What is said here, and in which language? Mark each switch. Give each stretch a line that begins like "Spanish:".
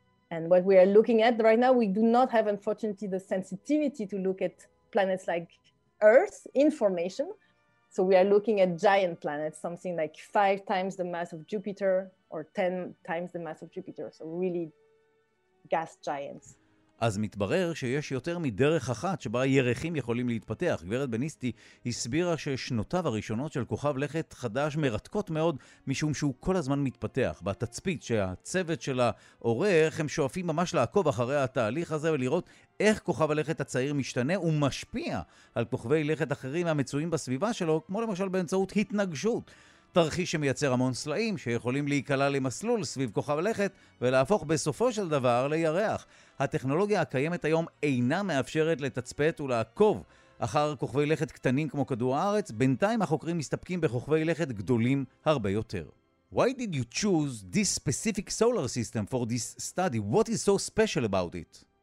English: And what we are looking at right now, we do not have, unfortunately, the sensitivity to look at planets like Earth in formation. So we are looking at giant planets, something like 5 times the mass of Jupiter or 10 times the mass of Jupiter. So really gas giants.
Hebrew: אז מתברר שיש יותר מדרך אחת שבה ירחים יכולים להתפתח. גברת בניסטי הסבירה ששנותיו הראשונות של כוכב לכת חדש מרתקות מאוד, משום שהוא כל הזמן מתפתח. בתצפית שהצוות שלה עורך, הם שואפים ממש לעקוב אחרי התהליך הזה ולראות איך כוכב הלכת הצעיר משתנה ומשפיע על כוכבי לכת אחרים המצויים בסביבה שלו, כמו למשל באמצעות התנגשות. תרחיש שמייצר המון סלעים שיכולים להיקלע למסלול סביב כוכב הלכת ולהפוך בסופו של דבר לירח. הטכנולוגיה הקיימת היום אינה מאפשרת לתצפת ולעקוב אחר כוכבי לכת קטנים כמו כדור הארץ. בינתיים החוקרים מסתפקים בכוכבי לכת גדולים הרבה יותר.
English: Why did you choose this specific solar system for this study? What is so special about it?